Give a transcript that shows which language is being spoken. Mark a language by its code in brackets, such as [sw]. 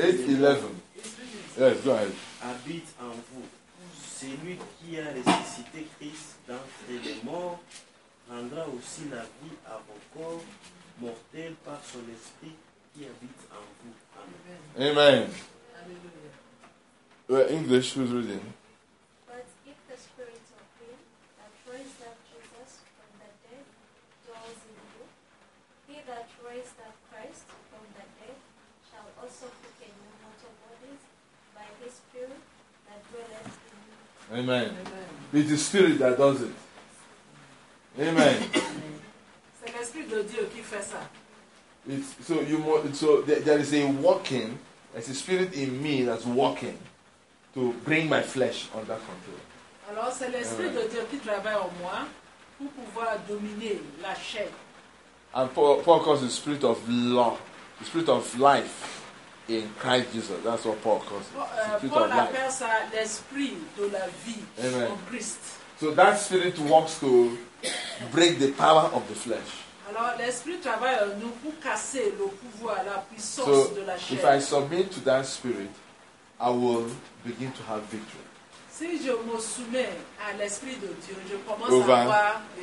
[fr] êtes vivants par la foi. De celui qui a ressuscité Jésus dans les morts. 8:11. [en] Yes, go ahead. [fr] Habite en vous. Celui qui a ressuscité Christ d'entre les morts rendra aussi la vie à vos corps mortels par son esprit qui habite en vous. [en] Amen. Amen. Alléluia. Well, English, who's reading? But if the spirit of him that raised up Jesus from the dead dwells in you, he that raised up Christ from the dead shall also quicken your mortal bodies by his spirit that dwelleth. Amen. Amen. It's the Spirit that does it. Amen. [fr] C'est l'Esprit de Dieu qui fait ça. [en] There is a working, there's a Spirit in me that's working to bring my flesh under control. [fr] Alors c'est l'Esprit Amen. De Dieu qui travaille en moi pour pouvoir dominer la chair. [en] And Paul calls the Spirit of law, the Spirit of life. In Christ Jesus. That's what Paul calls it. [fr] Paul appelle ça l'esprit de la vie en Christ. [en] So that spirit works to break the power of the flesh. [fr] Alors l'esprit travaille en nous pour casser le pouvoir, la puissance [en] so, [fr] de la chair. [en] If I submit to that spirit, I will begin to have victory. [fr] Si je me soumets à l'esprit de Dieu, je commence à avoir